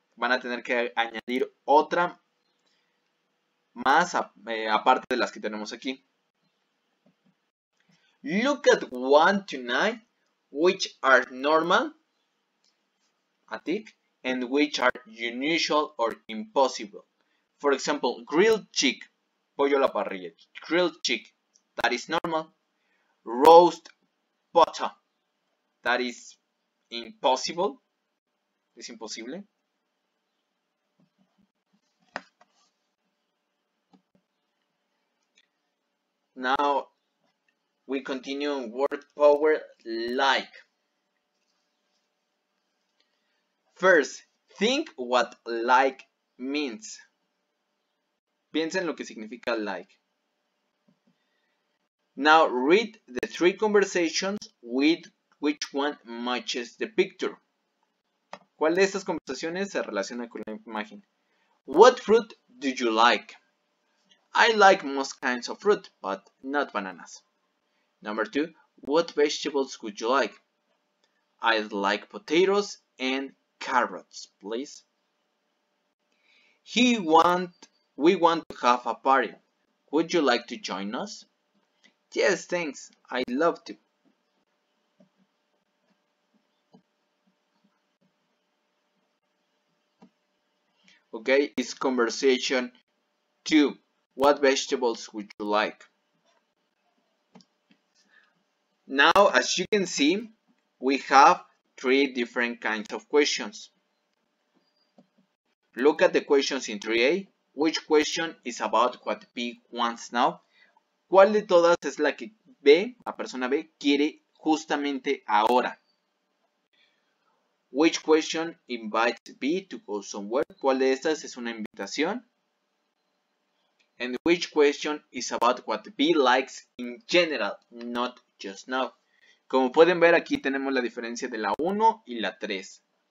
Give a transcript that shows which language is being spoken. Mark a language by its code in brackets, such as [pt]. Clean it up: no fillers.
[es] Van a tener que añadir otra más aparte de las que tenemos aquí. [en] Look at 1 to 9, which are normal, a tick, and which are unusual or impossible. For example, grilled chicken, [es] pollo a la parrilla, [en] grilled chicken, that is normal. Roast butter, that is impossible, [es] es imposible. [en] Now we continue word power like. First, think what like means. [es] Piensen lo que significa like. [en] Now read the three conversations with which one matches the picture. [es] ¿Cuál de estas conversaciones se relaciona con la imagen? [en] What fruit do you like? I like most kinds of fruit, but not bananas. Number 2. What vegetables would you like? I'd like potatoes and carrots, please. We want to have a party. Would you like to join us? Yes, thanks. I'd love to. Okay, it's conversation two. What vegetables would you like? Now, as you can see, we have three different kinds of questions. Look at the questions in 3A. Which question is about what B wants now? [es] ¿Cuál de todas es la que B, la persona B, quiere justamente ahora? [en] Which question invites B to go somewhere? [es] ¿Cuál de estas es una invitación? [en] And which question is about what B likes in general, not just now? [es] Como pueden ver, aquí tenemos la diferencia de la 1 y la 3.